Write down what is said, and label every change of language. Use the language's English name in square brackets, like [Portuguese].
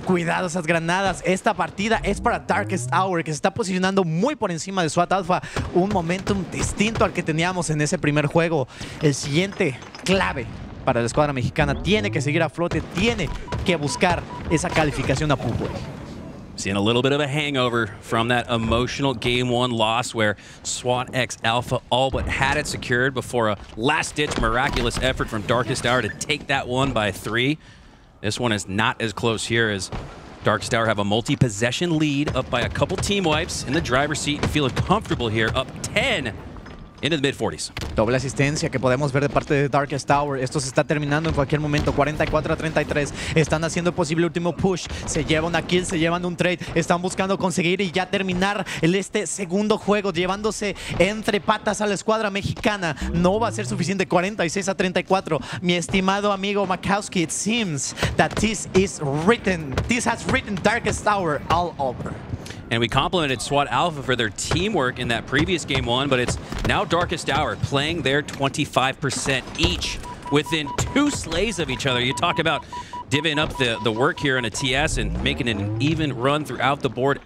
[Spanish] Cuidado esas granadas. Esta partida es para Darkest Dour, que se está posicionando muy por encima de SWAT Alpha. Un momentum distinto al que teníamos en ese primer juego. El siguiente clave para la escuadra mexicana tiene que seguir a flote, tiene que buscar esa calificación a pool play. [English] Seeing a little bit of a hangover from that emotional game one loss where SWAT X Alpha all but had it secured before a last ditch miraculous effort from Darkest Dour to take that one by 3. This one is not as close here, as Darkest Dour have a multi-possession lead up by a couple team wipes in the driver's seat and feel comfortable here, up 10. Into the mid-40s. [Spanish] Doble asistencia que podemos ver de parte de Darkest Dour. Esto se está terminando en cualquier momento. 44 a 33. Están haciendo el posible último push. Se lleva una kill, se llevan un trade. Están buscando conseguir y ya terminar este segundo juego, llevándose entre patas a la escuadra mexicana. No va a ser suficiente. 46 a 34. Mi estimado amigo [English] Makowski, it seems that this is written. This has written Darkest Dour all over. And we complimented SWAT Alpha for their teamwork in that previous game one, but it's now Darkest Dour playing their 25% each within two slays of each other. You talk about divvying up the work here in a TS and making it an even run throughout the board.